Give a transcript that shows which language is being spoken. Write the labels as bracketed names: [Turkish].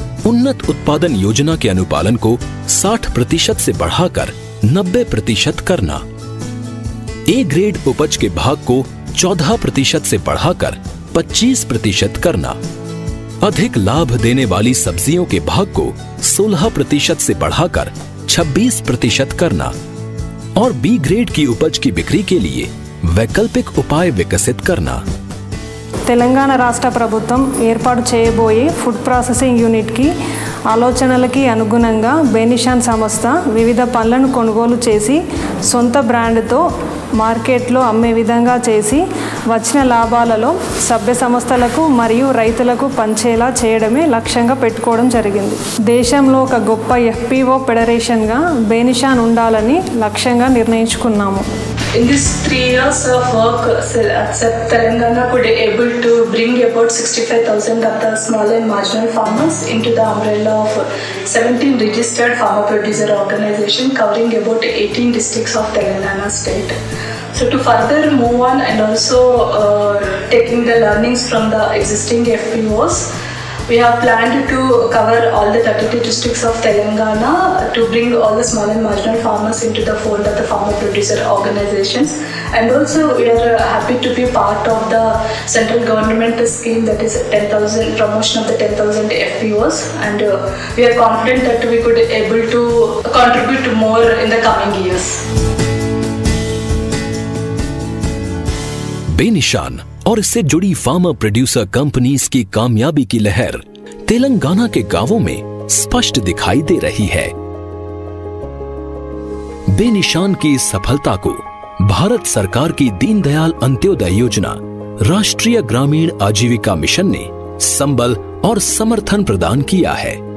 [Hindi] उन्नत उत्पादन योजना के अनुपालन को 60% से बढ़ाकर 90% करना, ए ग्रेड उपज के भाग को 14% से बढ़ाकर 25% करना, अधिक लाभ देने वाली सब्जियों के भाग को 16% से बढ़ाकर 26% करना और बी ग्रेड की उपज की बिक्री के लिए वैकल्पिक उपाय विकसित करना. [Telugu] तेलंगाना राष्ट्र प्रभुत्वम एर्पाटु चेयबोये फूड प्रोसेसिंग यूनिट की ఆలోచనలకి అనుగుణంగా బెనిషాన్ సంస్థ వివిధ పళ్ళను కొనుగోలు చేసి సొంత బ్రాండ్తో మార్కెట్లో అమ్మే విధంగా చేసి వచ్చిన లాభాలలో సభ్య సంస్థలకు మరియు రైతులకు పంచేలా చేయడమే లక్ష్యంగా పెట్టుకోవడం జరిగింది. దేశంలో ఒక గొప్ప ఎఫ్పిఓ ఫెడరేషన్గా బెనిషాన్ ఉండాలని లక్ష్యంగా నిర్ణయించుకున్నాము. [English] In this 3 years of work, Telangana could be able to bring about 65,000 of the small and marginal farmers into the umbrella of 17 registered farmer producer organizations covering about 18 districts of Telangana state. So to further move on and also taking the learnings from the existing FPOs, we have planned to cover all the 32 districts of Telangana to bring all the small and marginal farmers into the fold of the farmer producer organizations. And also we are happy to be part of the central government scheme, that is 10,000 promotion of the 10,000 FPOs. And we are confident that we could able to contribute more in the coming years. Benishan. [Hindi] और इससे जुड़ी farmer producer companies की कामयाबी की लहर तेलंगाना के गांवों में स्पष्ट दिखाई दे रही है. बेनिशान की सफलता को भारत सरकार की दीनदयाल अंत्योदय योजना, राष्ट्रीय ग्रामीण आजीविका मिशन ने संबल और समर्थन प्रदान किया है.